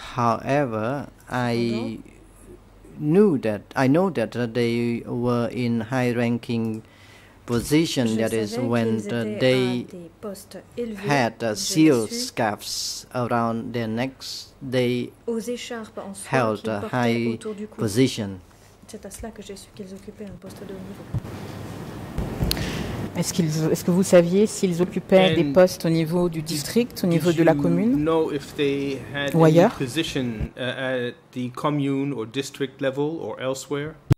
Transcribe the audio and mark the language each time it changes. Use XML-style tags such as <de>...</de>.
<en>However, I know that they were in high-ranking position, that is, when they had seal scarves around their necks, they held a high position.</en> <fr>C'est à cela que j'ai su qu'ils occupaient un poste de haut niveau. Est-ce que vous saviez s'ils occupaient des postes au niveau du district, au niveau de la commune,</fr> <en>know if they had</en> <fr>ou ailleurs?</fr> <en>Position, at the commune or district level or elsewhere?</en>